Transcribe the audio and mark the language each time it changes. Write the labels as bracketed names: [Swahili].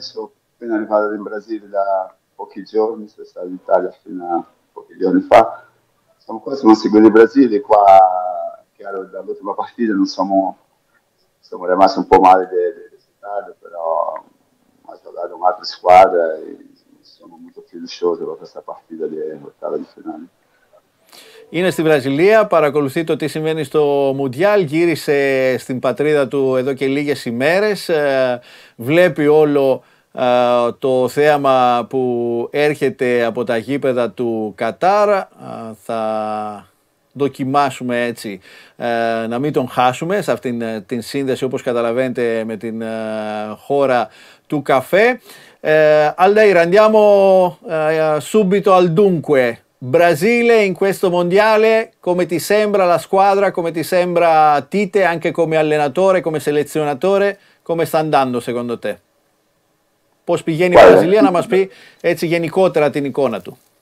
[Italian] Sono appena arrivato in Brasile da pochi giorni, sono stato in Italia fino a pochi giorni fa. Sono qua, sono seguito in Brasile, qua, chiaro, dall'ultima partita non siamo, siamo rimasti un po' male del risultato, però ho giocato un'altra squadra e sono molto fiducioso per questa partita di ottava di finale. [Greek] Είναι στη Βραζιλία, παρακολουθεί το τι συμβαίνει στο Μουντιάλ, γύρισε στην πατρίδα του εδώ και λίγες ημέρες, βλέπει όλο το θέαμα που έρχεται από τα γήπεδα του Κατάρ. Θα δοκιμάσουμε έτσι να μην τον χάσουμε σε αυτήν την σύνδεση, όπως καταλαβαίνετε, με την χώρα του καφέ. [Italian] Αλταΐρ, andiamo subito al dunque. Brasile in questo mondiale, come ti sembra la squadra, come ti sembra Tite anche come allenatore, come selezionatore, come sta andando secondo te? [Greek] Πώς πηγαίνει η Βραζιλία, να μας πει έτσι γενικότερα την εικόνα του.